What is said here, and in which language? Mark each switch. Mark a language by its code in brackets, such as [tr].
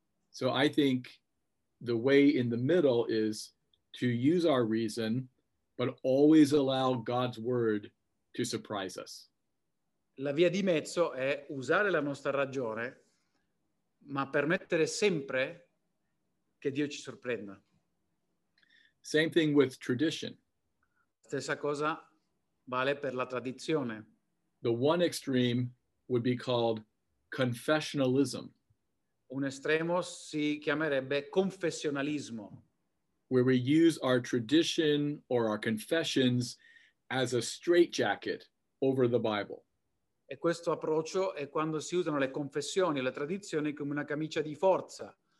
[en] So I think the way in the middle is to use our reason, but always allow God's word to surprise us. [it] La via di mezzo è usare la nostra ragione, ma permettere sempre che Dio ci sorprenda. [en] Same thing with tradition. [it] Stessa cosa vale per la tradizione. [en] The one extreme would be called confessionalism. [it] Un estremo si chiamerebbe confessionalismo. [en] Where we use our tradition or our confessions as a straitjacket over the Bible. [it] E questo approccio è quando si usano le confessioni, le tradizioni come una camicia di forza.